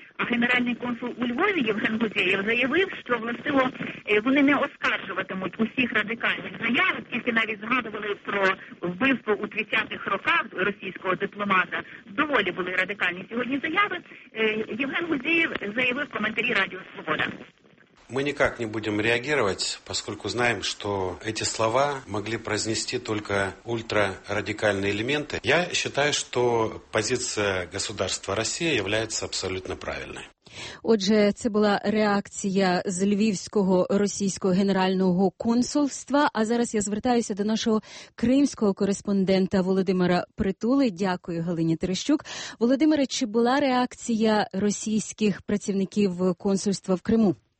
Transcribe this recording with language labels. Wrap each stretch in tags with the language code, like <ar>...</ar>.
<uk>А генеральний консул у Львові Євген Гудєєв заявив, що властиво вони не оскаржуватимуть усіх радикальних заяв, тільки навіть згадували про вбивство у 30-х роках російського дипломата. Доволі були радикальні сьогодні заяви. Євген Гудєєв заявив в коментарі Радіо Свобода.</uk> <ru>Мы никак не будем реагировать, поскольку знаем, что эти слова могли произнести только ультрарадикальные элементы. Я считаю, что позиция государства России является абсолютно правильной.</ru> <uk>Отже, це була реакція з Львівського російського генерального консульства. А зараз я звертаюся до нашого кримського кореспондента Володимира Притули. Дякую, Галині Терещук. Володимире, чи була реакція російських працівників консульства в Криму?</uk>